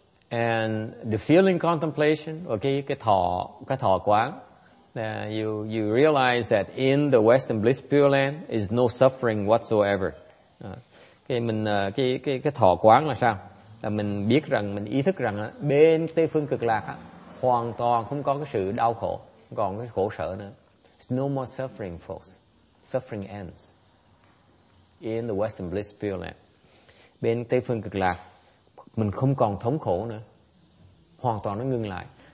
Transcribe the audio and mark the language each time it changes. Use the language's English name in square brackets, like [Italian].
[English] And the feeling contemplation, okay, [Vietnamese] cái thọ quán, [English] you realize that in the Western Bliss Pure Land is no suffering whatsoever. [Vietnamese] Cái thọ quán là sao? Là mình biết rằng, mình ý thức rằng bên Tây phương Cực Lạc á, hoàn toàn không có cái sự đau khổ, không còn cái khổ sở nữa. [English] It's no more suffering, folks. Suffering ends in the Western Bliss Pure Land. [Vietnamese] Bên Tây phương Cực Lạc, mình không còn thống khổ nữa, hoàn toàn nó ngưng lại.